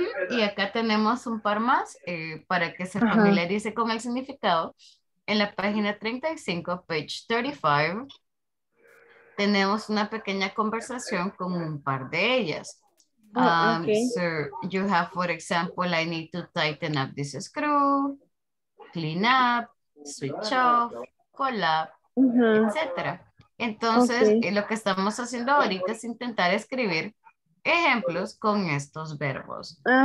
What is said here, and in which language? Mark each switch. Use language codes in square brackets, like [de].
[es] Y acá tenemos un par más para que se familiarice con el significado. En la página 35, page 35, tenemos una pequeña conversación con un par de ellas. [en] Sir, you have, for example, I need to tighten up this screw, clean up, switch off, call up, etc. [es] Entonces, lo que estamos haciendo ahorita es intentar escribir ejemplos con estos verbos.